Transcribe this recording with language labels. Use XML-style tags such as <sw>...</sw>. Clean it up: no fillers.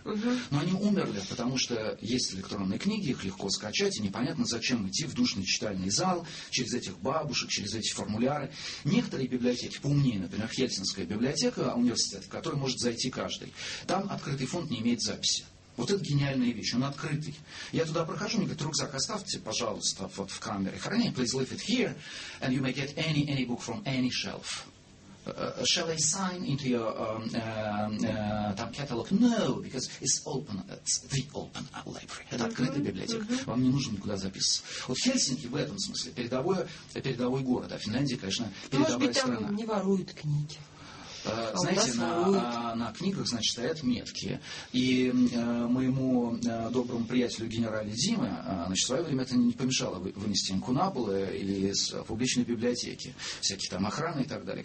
<ru>Но они умерли, потому что есть электронные книги, их легко скачать, и непонятно, зачем идти в душный читальный зал, через этих бабушек, через эти формуляры. Некоторые библиотеки поумнее, например, Хельсинская библиотека, университет, в который может зайти каждый. Там открытый фонд не имеет записи. Вот это гениальная вещь, он открытый. Я туда прохожу, мне говорят, рюкзак оставьте, пожалуйста, вот в камере хранения.</ru> <en>Please leave it here, and you may get any book from any shelf. Shall I sign into your catalog? No, because it's open, it's the open library.</en> <ru>Это открытая библиотека, вам не нужно никуда записываться. Вот Хельсинки в этом смысле передовой город, а Финляндия, конечно, передовая страна. Может быть, там не воруют книги? Знаете, на книгах, значит, стоят метки. И моему доброму приятелю генерале Диме, значит, в свое время это не помешало вынести инкунабулы из публичной библиотеки, всякие там охраны и так далее.</ru>